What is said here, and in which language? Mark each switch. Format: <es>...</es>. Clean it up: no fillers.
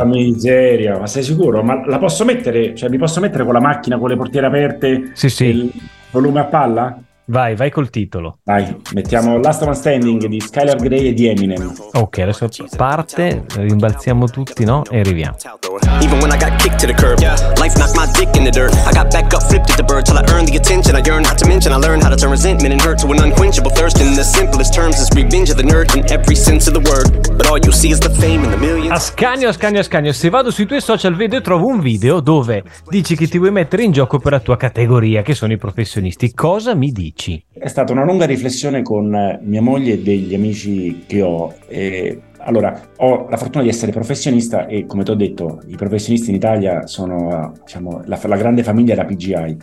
<it>Ah, miseria, ma sei sicuro? Ma la posso mettere? Cioè, mi posso mettere con la macchina, con le portiere aperte? Sì, sì. Il volume a palla? Vai, vai col titolo. Vai, mettiamo Last One Standing di Skylar Grey e di Eminem. Ok, adesso parte, rimbalziamo tutti, no? E arriviamo.</it> <en>Even when I got kicked to the curb, life knocked my dick in the dirt. I got back up, flipped at the bird, till I earned the attention I yearned. Not to mention, I learned how to turn resentment and hurt to an unquenchable thirst. In the simplest terms, it's revenge of the nerd in every sense of the word. But all you see is the fame and the millions.</en> <it>Ascanio, Ascanio, Ascanio, se vado sui tuoi social vedo e trovo un video dove dici che ti vuoi mettere in gioco per la tua categoria, che sono i professionisti. Cosa mi dici? È stata una lunga riflessione con mia moglie e degli amici che ho. E allora, ho la fortuna di essere professionista e, come ti ho detto, i professionisti in Italia sono, diciamo, la grande famiglia della PGI.</it>